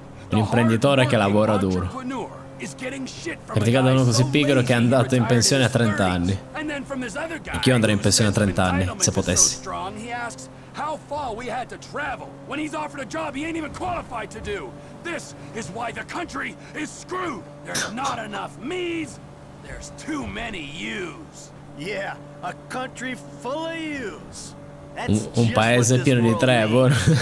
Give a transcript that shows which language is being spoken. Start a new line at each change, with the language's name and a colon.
Italian: Un imprenditore che lavora duro. Criticato uno così pigro che è andato in pensione a 30 anni. E chi andrà in pensione a 30 anni, se potessi?
English: How far we had to travel when he's offered a job he ain't even qualified to do. This is why the country is screwed. There's not enough me's, there's too many you's. Yeah, a country full of you's.
Italian: un paese pieno di Trevor.